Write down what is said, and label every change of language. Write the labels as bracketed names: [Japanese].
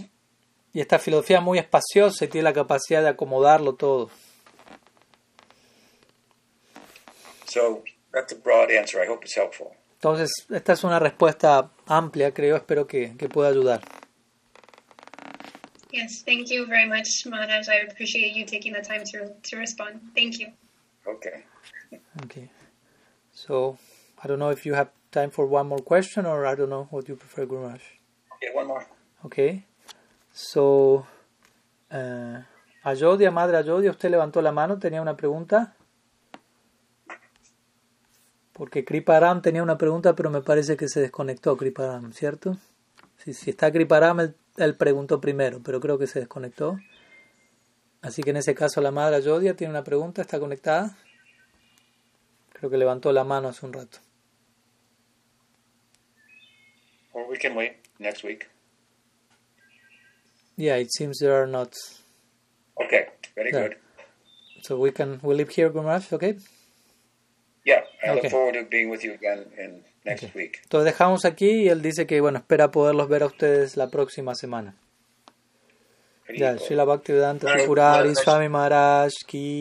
[Spanish] ¿No? Y esta filosofía muy espaciosa y tiene la capacidad de acomodarlo todo. [English] So, that's a broad answer. I hope it's helpful. [Spanish] Entonces, esta es una respuesta amplia, creo, espero que pueda ayudar. [English] Yes, thank you very much, Maharaj. I appreciate you taking the time to respond. Thank you. Okay. So, I don't know if you have time for one more question or I don't know what you prefer, Guru Maharaj. Okay, one more. Okay. [Spanish] So, Ayodhya, Madre Ayodhya, usted levantó la mano, tenía una pregunta. Porque Kriparam tenía una pregunta, pero me parece que se desconectó Kriparam, ¿cierto? Si está Kriparam, él preguntó primero, pero creo que se desconectó. Así que en ese caso la madre Ayodhya tiene una pregunta, ¿está conectada? Creo que levantó la mano hace un rato. [English] Or we can wait next week. Yeah, it seems there are not. Okay, very good. So we'll leave here, Guru Maharaj, okay? Yeah, I look forward to being with you again in next week. [Spanish] Entonces dejamos aquí y él dice que bueno, espera poderlos ver a ustedes la próxima semana. Ya, Srila Bhaktivedanta Thakura Hari Swami Maharaj ki.